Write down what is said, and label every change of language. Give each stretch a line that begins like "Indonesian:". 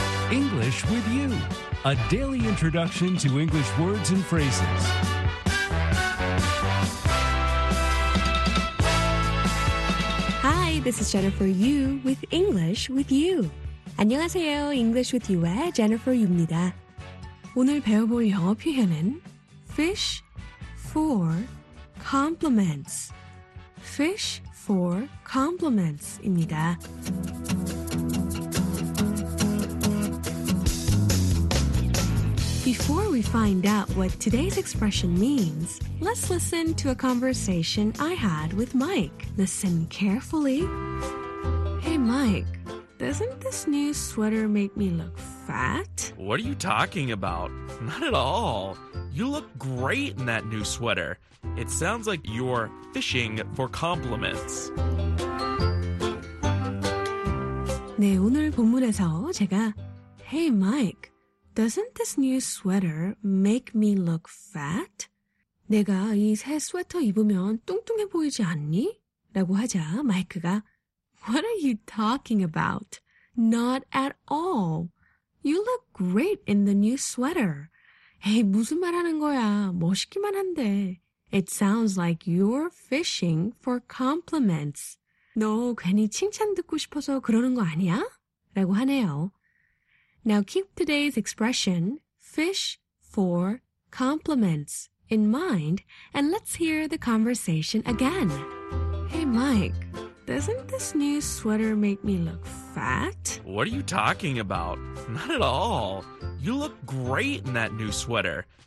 English: English with you, a daily introduction to English words and phrases. Hi, this is Jennifer Yu with English with you.
Korean: 안녕하세요, English with you의 Jennifer Yu입니다. 오늘 배워볼 영어 표현은
English: fish for compliments. Fish for compliments입니다. Before we find out what today's expression means, let's listen to a conversation I had with Mike. Listen carefully. Hey, Mike, doesn't this new sweater make me look fat? What are you talking about? Not at all. You look great in that new sweater. It sounds like you're fishing for compliments.
Korean: 네, 오늘 본문에서 제가
English: Hey, Mike, doesn't this new sweater make me look fat?
Korean: 내가 이 새 스웨터 입으면 뚱뚱해 보이지 않니? 라고 하자 마이크가
English: What are you talking about? Not at all. You look great in the new sweater.
Korean: Hey, 무슨 말 하는 거야? 멋있기만 한데.
English: It sounds like you're fishing for compliments.
Korean: 너 괜히 칭찬 듣고 싶어서 그러는 거 아니야? 라고 하네요.
English: Now keep today's expression, fish for compliments, in mind, and let's hear the conversation again. Hey, Mike, doesn't this new sweater make me look fat? What are you talking about? Not at all. You look great in that new sweater.